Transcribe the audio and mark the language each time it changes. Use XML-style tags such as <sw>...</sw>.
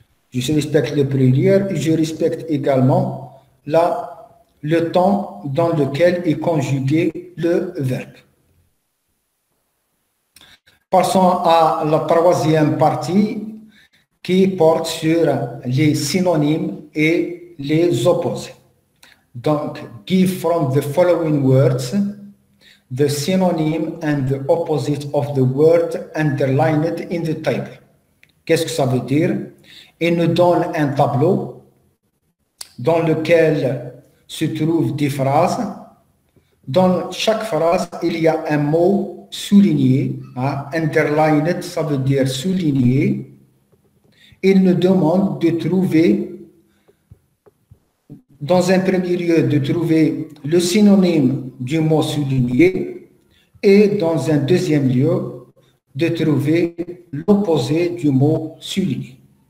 <fr>Je respecte le pluriel et je respecte également le temps dans lequel est conjugué le verbe. Passons à la troisième partie, qui porte sur les synonymes et les opposés.</fr> <en>Donc, give from the following words the synonym and the opposite of the word underlined in the table.</en> <fr>Qu'est-ce que ça veut dire? Il nous donne un tableau dans lequel se trouvent des phrases. Dans chaque phrase, il y a un mot souligné. Hein? Underlined, ça veut dire souligné. Il nous demande de trouver, dans un premier lieu, de trouver le synonyme du mot souligné et dans un deuxième lieu, de trouver l'opposé du mot souligné.</fr>